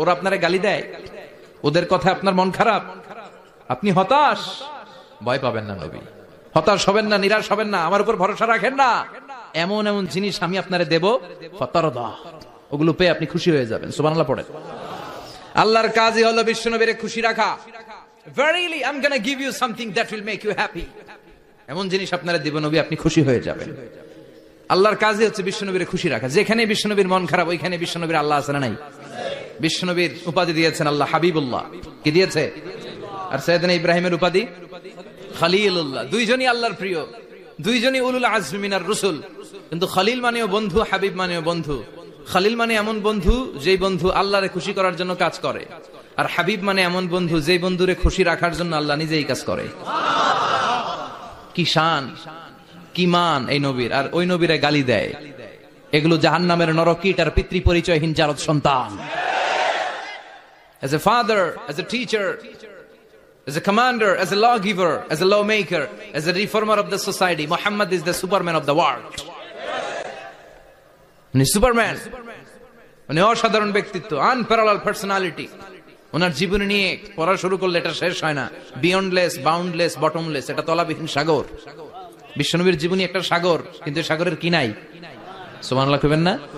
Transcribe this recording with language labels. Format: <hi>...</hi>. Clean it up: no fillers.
<bn>ওরা আপনারে গালি দেয়, ওদের কথায় আপনার মন খারাপ, আপনি হতাশ, ভয় পাবেন না নবী, হতাশ হবেন না, নিরাশ হবেন না, আমার উপর ভরসা রাখেন না, এমন এমন জিনিস আমি আপনারে দেব, ফাতারদা, ওগুলো পেয়ে আপনি খুশি হয়ে যাবেন। সুবহানাল্লাহ পড়েন। আল্লাহর কাজই হলো বিশ্ব নবীরে খুশি রাখা।</bn> <en>Verily I'm going to give you something that will make you happy,</en> <bn>এমন জিনিস আপনারে দেব নবী, আপনি খুশি হয়ে যাবেন। আল্লাহর কাজই হচ্ছে বিশ্ব নবীরে খুশি রাখা। যেখানে বিশ্ব নবীর মন খারাপ, ওইখানে বিশ্ব নবীর আল্লাহ আছে না নাই? বিশ্ব নবীর উপাধি দিয়েছেন আল্লাহ হাবিবুল্লাহ, কি দিয়েছে? আর সাইয়েদনা ইব্রাহিমের উপাধি খলিলুল্লাহ, দুইজনই আল্লাহর প্রিয়, দুইজনই উলুল আজম মিনার রুসুল। কিন্তু খলিল মানেও বন্ধু, হাবিব মানেও বন্ধু। খলিল মানে এমন বন্ধু যেই বন্ধু আল্লাহরে খুশি করার জন্য কাজ করে, আর হাবিব মানে এমন বন্ধু যেই বন্ধুরে খুশি রাখার জন্য আল্লাহ নিজেই কাজ করে। কি শান, কি মান এই নবীর! আর ওই নবীরে গালি দেয়, এগুলো জাহান্নামের নরকীট আর পিতৃ পরিচয়হীন জারদ সন্তান।</bn> <en>As a father, as a teacher, as a commander, as a lawgiver, as a lawmaker, as a reformer of the society, Muhammad is the Superman of the world. Yes. He's Superman.</en> <bn>উনি অসাধারণ ব্যক্তিত্ব,</bn> <en>Unparallel personality.</en> <bn>ওনার জীবনী নিয়ে পড়া শুরু করলে এটা শেষ হয় না।</bn> <en>beyondless, boundless, bottomless,</en> <bn>এটা তলাবিহীন সাগর। বিশ্বনবীর জীবনী একটা সাগর, কিন্তু সাগরের কি নাই? সুবহানাল্লাহ কইবেন না?</bn>